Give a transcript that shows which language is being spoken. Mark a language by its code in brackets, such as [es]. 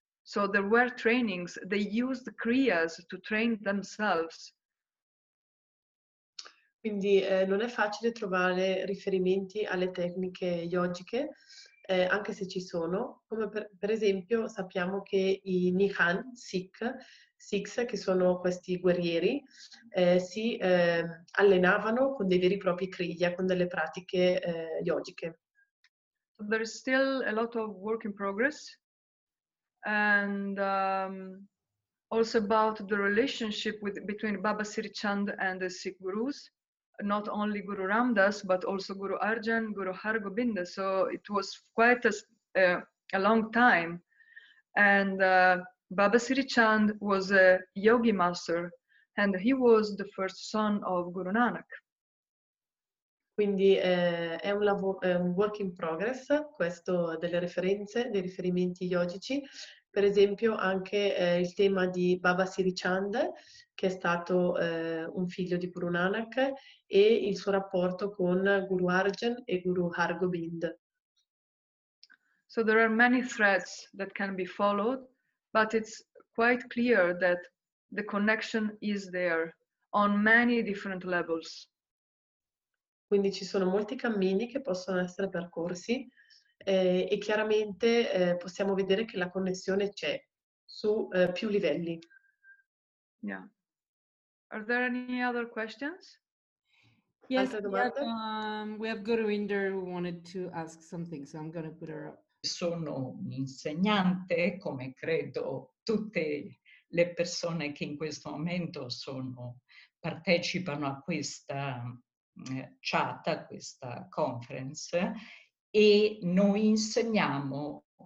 [en] So there were trainings, they used Kriyas to train themselves. [it] Quindi non è facile trovare riferimenti alle tecniche yogiche, anche se ci sono. Come per esempio sappiamo che i Nihan Sikhs, che sono questi guerrieri, si allenavano con dei veri e propri kriya, con delle pratiche yogiche. [en] There is still a lot of work in progress. And also about the relationship between Baba Sri Chand and the Sikh Gurus. Not only Guru Ramdas, but also Guru Arjan, Guru Hargobind. So it was quite a long time. And Baba Sri Chand was a yogi master, and he was the first son of Guru Nanak. [it] Quindi è un lavoro, un work in progress, questo delle referenze, dei riferimenti yogici. Per esempio anche il tema di Baba Sri Chand, che è stato un figlio di Guru Nanak, e il suo rapporto con Guru Arjan e Guru Hargobind. [en] So there are many threads that can be followed, but it's quite clear that the connection is there on many different levels. [it] Quindi ci sono molti cammini che possono essere percorsi, e chiaramente possiamo vedere che la connessione c'è su più livelli. [en] Yeah. Are there any other questions? Yes, we have Guru Inder who wanted to ask something, so I'm going to put her up. [it] Sono un insegnante, come credo tutte le persone che in questo momento sono partecipano a questa chat, a questa conference, e noi insegniamo